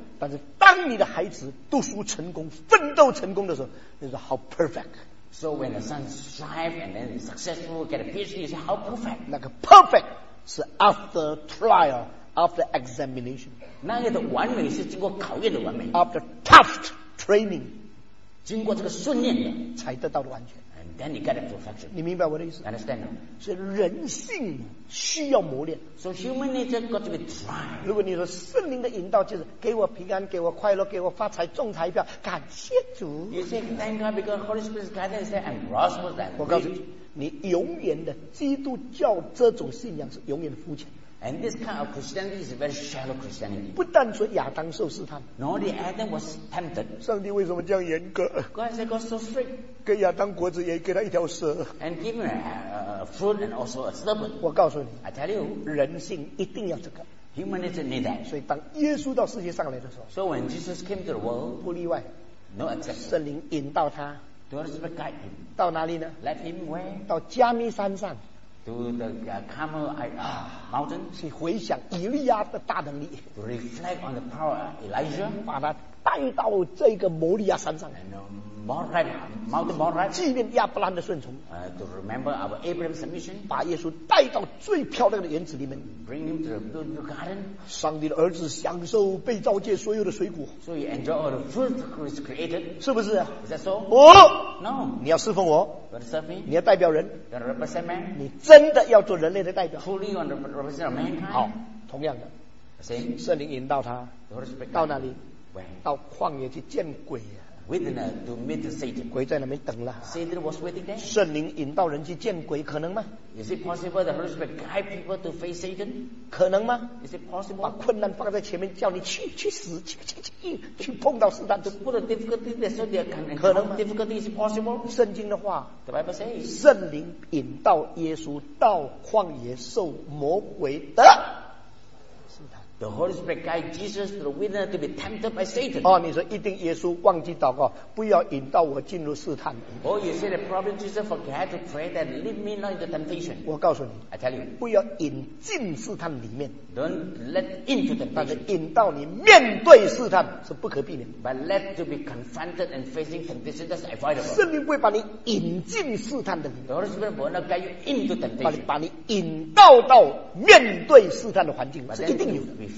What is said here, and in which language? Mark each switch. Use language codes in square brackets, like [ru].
[zh] 但是当你的孩子读书成功奋斗成功的时候你说 [en] how perfect So when the son strive and then successful get a PhD, you say how perfect? [zh] 那个 [en] perfect [zh] 是 [en] after trial, after examination. [zh] 那个的完美是经过考验的完美。 [en] After tough training, [zh] 经过这个训练的才得到的完全。 [en] And then you get a perfection. [zh] 你明白我的意思 [en] ？Understand? [zh] 所以人性需要磨练。 [en] So human nature got to be tried. [zh] 如果你说圣灵的引导就是给我平安，给我快乐，给我发财，中彩票，感谢主。 [en] You say thank God because Holy Spirit's guidance said I'm prosperous. [zh] 我告诉你，你永远的基督教这种信仰是永远的肤浅。 [en] And this kind of Christianity is a very shallow Christianity. [zh] 不但说亚当受试探 [en] ，Nor the Adam was tempted. [zh] 上帝为什么这样严格 [en] ？God said God so strict. [zh] 给亚当果子也给他一条蛇。 [en] And give him a fruit and also a serpent. [zh] 我告诉你 [en] ，I tell you, [zh] 人性一定要这个。 [en] Human nature need that. [zh] 所以当耶稣到世界上来的时候 [en] ，So when Jesus came to the world, [zh] 不例外 [en] ，No exception. [zh] 圣灵引导他 [en] ，The Holy Spirit guide him. [zh] 到哪里呢 [en] ？Let him where? [zh] 到加密山上。 [en] To the Carmel mountain, [zh] 去回想以利亚的大能力 [en] to reflect on the power of Elijah, [zh] 把他带到这个摩利亚山上 [en] and Moriah mountain Moriah, [zh] 纪念亚伯兰的顺从 [en] to remember our Abraham's submission, [zh] 把耶稣带到最漂亮的园子里面 [en] bring him to the beautiful garden, [zh] 上帝的儿子享受被造界所有的水果 [en] so he enjoy all the fruit he was created, [zh] 是不是 [en] is that so? 哦、 no, [zh] 你要侍奉我 [en] But serve me? [zh] 你要代表人 [en] You're represent man? [zh] 你真的要做人类的代表 [en] Truly you want to represent mankind? [zh] 好同样的 [en] Same [zh] 圣灵引导他 [en] The Holy Spirit [zh] 到哪里 [en] Where? [zh] 到旷野去见鬼、啊、 [en] within a, to meet Satan. [zh] 鬼在那边等了。 [en] Satan was waiting there. [zh] 圣灵引导人去见鬼，可能吗？ [en] Is it possible the Holy Spirit guide people to face Satan? [zh] 可能吗？ [en] Is it possible? [zh] 把困难放在前面，叫你去去死，去去去去碰到试探，就 [en] put a difficulty there, so they can. [zh] 可能吗？ [en] Difficulty is possible. [zh] 圣经的话， [en] the Bible says, [zh] 圣灵引导耶稣到旷野受魔鬼的。 [en] The Holy Spirit guide Jesus to the wilderness to be tempted by Satan. [zh] 哦，你说一定耶稣忘记祷告，不要引导我进入试探。 [en] Oh, you say the problem Jesus forgot to pray that lead me not into temptation. [zh] 我告诉你 [en] ，I tell you, [zh] 不要引进试探里面。 [en] Don't let into temptation. [zh] 但是引导你面对试探是不可避免。 [en] But let to be confronted and facing temptation that's avoidable. [zh] 圣灵不会把你引进试探的里面。 [en] The Holy Spirit will not guide you into temptation. [zh] 把你引导到面对试探的环境是一定有的。